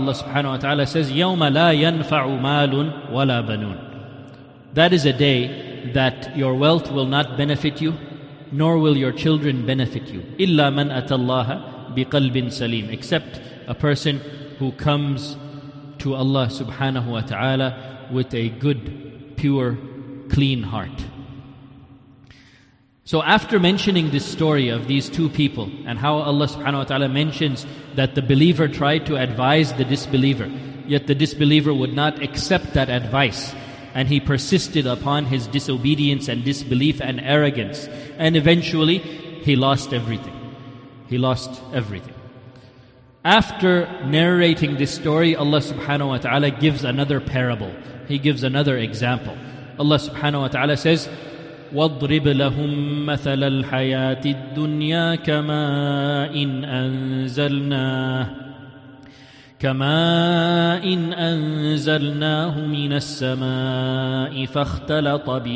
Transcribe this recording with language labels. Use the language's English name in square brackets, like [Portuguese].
[English] Allah subhanahu wa ta'ala says, [Arabic] يَوْمَ لَا يَنْفَعُ مَالٌ وَلَا بَنُونَ. [English] That is a day that your wealth will not benefit you, nor will your children benefit you. [Arabic] إِلَّا مَنْ أَتَى اللَّهَ بِقَلْبٍ سَلِيمٍ. [English] Except a person who comes to Allah subhanahu wa ta'ala with a good, pure, clean heart. So after mentioning this story of these two people and how Allah subhanahu wa ta'ala mentions that the believer tried to advise the disbeliever, yet the disbeliever would not accept that advice, and he persisted upon his disobedience and disbelief and arrogance. And eventually, he lost everything. He lost everything. After narrating this story, Allah subhanahu wa ta'ala gives another parable. He gives another example. Allah subhanahu wa ta'ala says, [Arabic] وَاضْرِبْ لَهُمْ مَثَلَ الْحَيَاةِ الدُّنْيَا كَمَا إِنْ أَنزَلْنَا كَمَاءٍ أَنزَلْنَاهُ مِنَ السَّمَاءِ فَاخْتَلَطَ